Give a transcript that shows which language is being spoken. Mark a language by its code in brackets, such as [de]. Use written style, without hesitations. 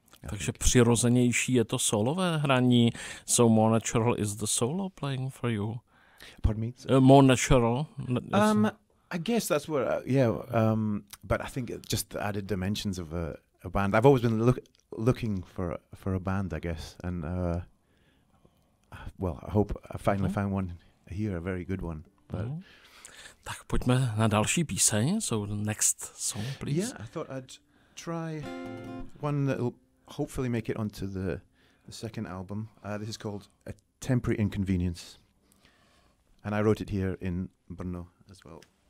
[cs] Takže přirozenější je to solové hraní. [en] So more natural is the solo playing for you? Pardon me? More natural? I guess that's what, but I think it just added dimensions of a band. I've always been looking for a band, I guess. And, I hope I finally found one here, a very good one. But. Mm-hmm. [cs] Tak pojďme na další píseň, [en] so next song, please. Yeah, I thought I'd try one that will hopefully make it onto the second album. This is called A Temporary Inconvenience. And I wrote it here in Brno as well.